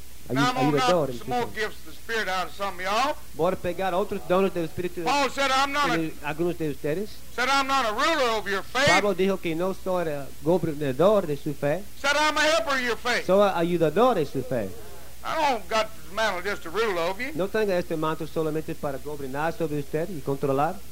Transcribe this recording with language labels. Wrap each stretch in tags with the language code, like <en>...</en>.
<en>Now I'm going to knock some more gifts of the Spirit out of some of y'all.</en> <es>Voy a pegar otros dones del Espíritu.</es> <en>Paul said I'm not a. Said I'm not a ruler over your faith.</en> <es>Pablo dijo que no soy el gobernador de su fe.</es> <en>Said I'm a helper of your faith.</en> <es>Soy ayudador de su fe.</es> <en>I don't got this mantle just to rule over you.</en> <es>No tengo este manto solamente para gobernar sobre usted y controlar.</es>